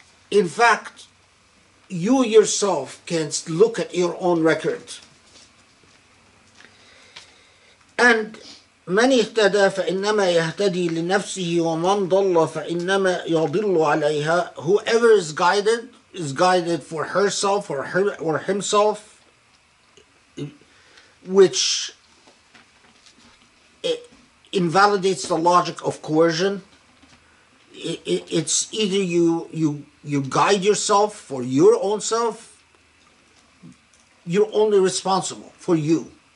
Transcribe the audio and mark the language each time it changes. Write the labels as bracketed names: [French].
[English] In fact, you yourself can look at your own record. [Arabic] And من اهتدى فإنما يهتدي لنفسه ومن ضل فإنما يضل عليها. [English] Whoever is guided for herself or himself, which it invalidates the logic of coercion. It's either you guide yourself for your own self, you're only responsible for you.